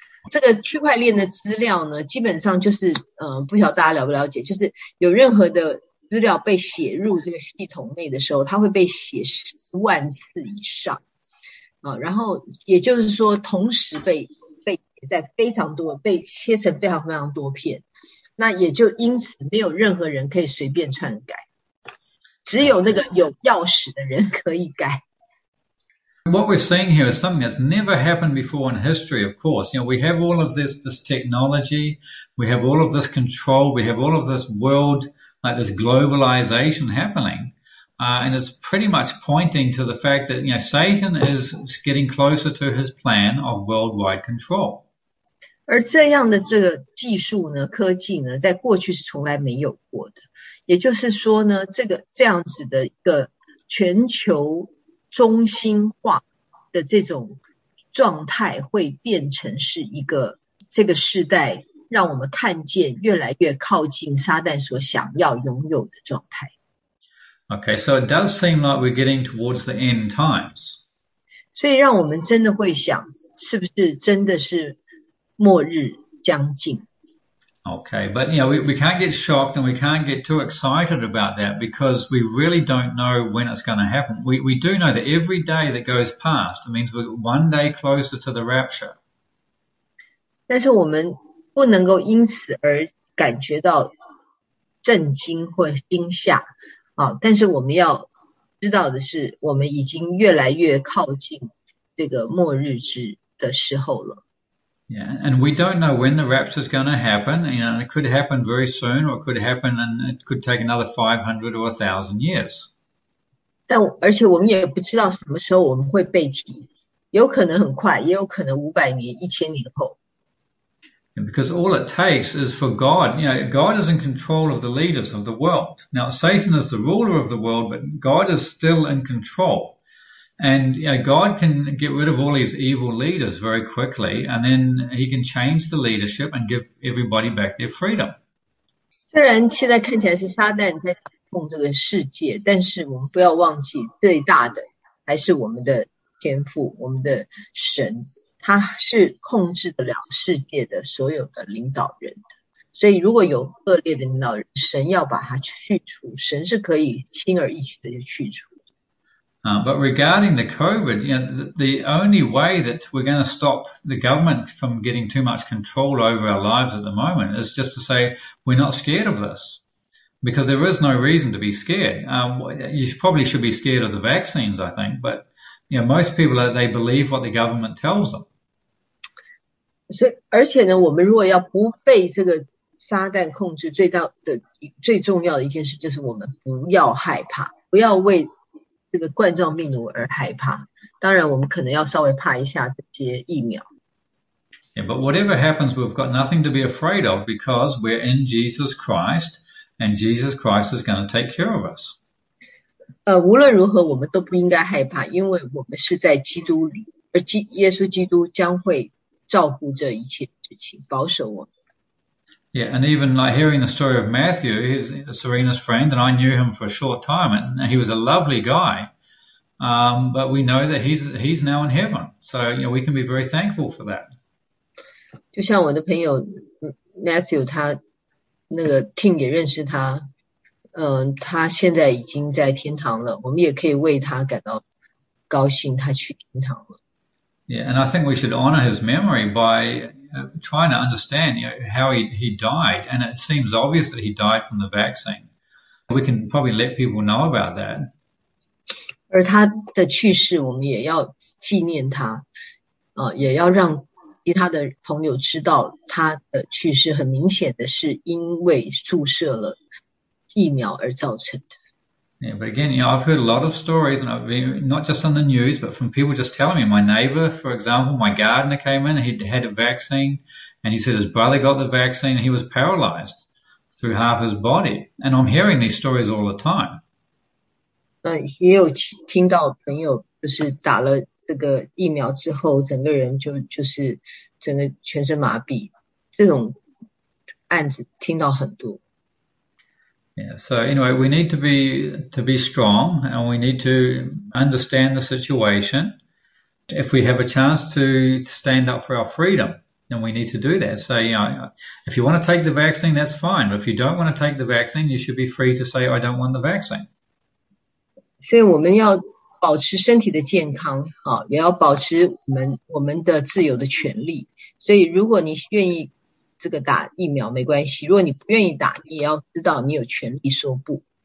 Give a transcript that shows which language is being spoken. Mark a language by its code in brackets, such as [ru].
[zh] 这个区块链的资料呢，基本上就是，不晓得大家了不了解，就是有任何的资料被写入这个系统内的时候，它会被写10万次以上，然后也就是说，同时被写在非常多，被切成非常非常多片，那也就因此没有任何人可以随便篡改。只有那个有钥匙的人可以改。 [en] What we're seeing here is something that's never happened before in history, of course. You know, we have all of this technology, we have all of this control, we have all of this world, like this globalization happening. And it's pretty much pointing to the fact that, you know, Satan is getting closer to his plan of worldwide control. [zh] 而这样的这个技术呢，科技呢，在过去是从来没有过的。也就是说呢，这样子的一个全球中心化的这种状态，会变成是一个这个时代让我们看见越来越靠近撒旦所想要拥有的状态。 [en] Okay, so it does seem like we're getting towards the end times. [zh] 所以让我们真的会想，是不是真的是末日将近？ [en] Okay, but you know, we can't get shocked and we can't get too excited about that because we really don't know when it's going to happen. We do know that every day that goes past, it means we're one day closer to the rapture. [zh] 但是我们不能够因此而感觉到震惊或惊吓啊！但是我们要知道的是，我们已经越来越靠近这个末日的时候了。 [en] Yeah, and we don't know when the rapture is going to happen. You know, it could happen very soon, or it could happen and it could take another 500 or 1,000 years. [zh] 但而且我们也不知道什么时候我们会被提，有可能很快，也有可能500年、1000年后。 [en] And because all it takes is for God, you know, God is in control of the leaders of the world. Now, Satan is the ruler of the world, but God is still in control. And you know, God can get rid of all these evil leaders very quickly, and then he can change the leadership and give everybody back their freedom. [zh] 虽然现在看起来是撒旦在掌控这个世界，但是我们不要忘记，最大的还是我们的天父，我们的神，他是控制得了世界的所有的领导人的。所以，如果有恶劣的领导人，神要把他去除，神是可以轻而易举的就去除。 [en] But regarding the COVID, you know, the only way that we're going to stop the government from getting too much control over our lives at the moment is just to say we're not scared of this, because there is no reason to be scared. You probably should be scared of the vaccines, I think, but you know, most people are, they believe what the government tells them. [zh] So, 而且呢，我们如果要不被这个撒旦控制，最大的、最重要的一件事就是我们不要害怕，不要为这个冠状病毒而害怕。当然，我们可能要稍微怕一下这些疫苗。 [en] Yeah, but whatever happens, we've got nothing to be afraid of because we're in Jesus Christ, and Jesus Christ is going to take care of us. [zh] 无论如何，我们都不应该害怕，因为我们是在基督里，而耶稣基督将会照顾这一切事情，保守我们。 [en] Yeah, and even like hearing the story of Matthew, he's Serena's friend, and I knew him for a short time, and he was a lovely guy. But we know that he's now in heaven, so you know we can be very thankful for that. [zh] 就像我的朋友 Matthew，他那个 Tim 也认识他，他现在已经在天堂了，我们也可以为他感到高兴，他去天堂了。 [en] Yeah, and I think we should honor his memory by trying to understand, you know, how he died. And it seems obvious that he died from the vaccine. We can probably let people know about that. [zh] 而他的去世，我们也要纪念他，也要让其他的朋友知道他的去世很明显的是因为注射了疫苗而造成的。 [en] Yeah, but again, I've heard a lot of stories, and I've been not just on the news, but from people just telling me. My neighbor, for example, my gardener came in, he'd had a vaccine, and he said his brother got the vaccine, and he was paralyzed through half his body. And I'm hearing these stories all the time. [zh] 也有听到朋友就是打了这个疫苗之后，整个人就是整个全身麻痹，这种案子听到很多。 [en] Yeah, so anyway, we need to be strong, and we need to understand the situation. If we have a chance to stand up for our freedom, then we need to do that. So, if you want to take the vaccine, that's fine. But if you don't want to take the vaccine, you should be free to say, I don't want the vaccine. [zh] 所以我们要保持身体的健康，也要保持我们的自由的权利。所以，如果你愿意这个打疫苗，没关系；如果你不愿意打，你也要知道你有权利说不。